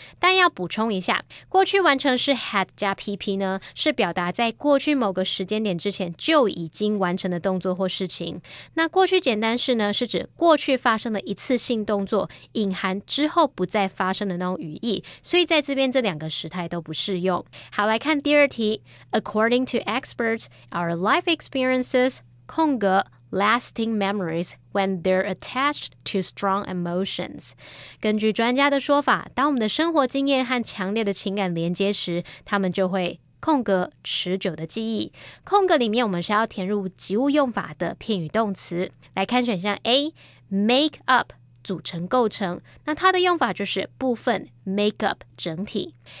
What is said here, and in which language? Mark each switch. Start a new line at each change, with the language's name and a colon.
Chinese: 但要补充一下，过去完成式 had 加 PP 呢是表达在过去某个时间点之前就已经完成的动作或事情，那过去简单式呢是指过去发生的一次性动作，隐含之后不再发生的那种语义，所以在这边这两个时态都不适用。好，来看第二题。
English: According to experts, our life experiences, 空格 lasting memories when they're attached to strong emotions.
Chinese: 根据专家的说法，当我们的生活经验和强烈的情感连接时，他们就会空格持久的记忆。空格里面我们是要填入及物用法的片语动词。来看选项 A, make up, 组成构成。那它的用法就是部分 make up, 整体。